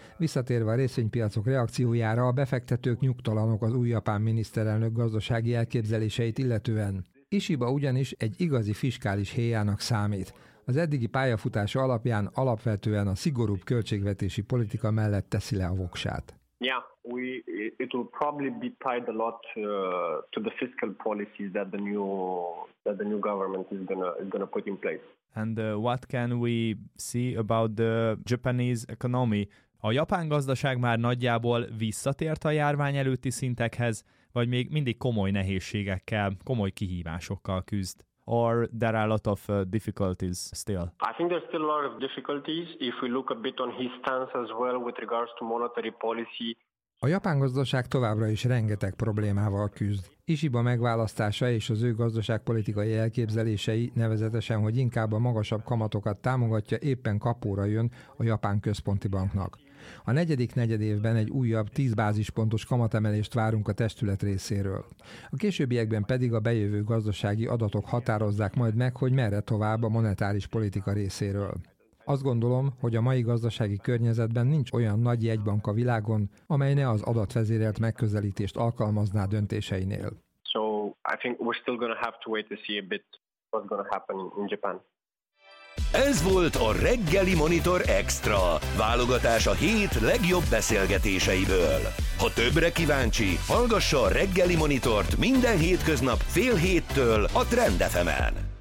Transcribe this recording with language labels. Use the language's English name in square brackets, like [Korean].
[Hungarian] Visszatérve a részvénypiacok reakciójára, a befektetők nyugtalanok az új japán miniszterelnök gazdasági elképzeléseit illetően. Ishiba ugyanis egy igazi fiskális héjának számít. Az eddigi pályafutása alapján alapvetően a szigorúbb költségvetési politika mellett teszi le a voksát. [English] Yeah, it will probably be tied a lot to the fiscal policies that the new government is gonna put in place. And what can we see about the Japanese economy? [Hungarian] A japán gazdaság már nagyjából visszatért a járvány előtti szintekhez, vagy még mindig komoly nehézségekkel, komoly kihívásokkal küzd? [English] Or there are a lot of difficulties still? I think there's still a lot of difficulties if we look a bit on his stance as well with regards to monetary policy. [Hungarian] A japán gazdaság továbbra is rengeteg problémával küzd. Ishiba megválasztása és az ő gazdaságpolitikai elképzelései, nevezetesen, hogy inkább a magasabb kamatokat támogatja, éppen kapóra jön a japán központi banknak. A negyedik negyedévben egy újabb 10 bázispontos kamatemelést várunk a testület részéről. A későbbiekben pedig a bejövő gazdasági adatok határozzák majd meg, hogy merre tovább a monetáris politika részéről. Azt gondolom, hogy a mai gazdasági környezetben nincs olyan nagy jegybank a világon, amely ne az adatvezérelt megközelítést alkalmazná döntéseinél. [English] So I think we're still gonna have to wait to see a bit what's gonna happen in Japan. [Hungarian] Ez volt a Reggeli Monitor Extra, válogatás a hét legjobb beszélgetéseiből. Ha többre kíváncsi, hallgassa a Reggeli Monitort minden hétköznap 6:30-tól a Trend FM-en.